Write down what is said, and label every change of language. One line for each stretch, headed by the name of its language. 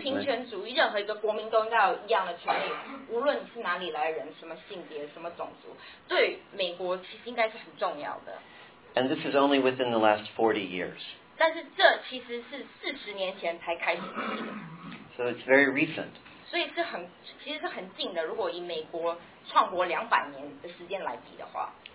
Chinese: 平权主义，任何一个国民都应该有一样的权利，无论你是哪里来人，什么性别，什么种族，对美国其实应该是很重要的。
English: And this is only within the last 40 years.
Chinese: 但是这其实是四十年前才开始的。
English: So it's very recent.
Chinese: 所以是很，其实是很近的。如果以美国创国两百年的时间来比的话。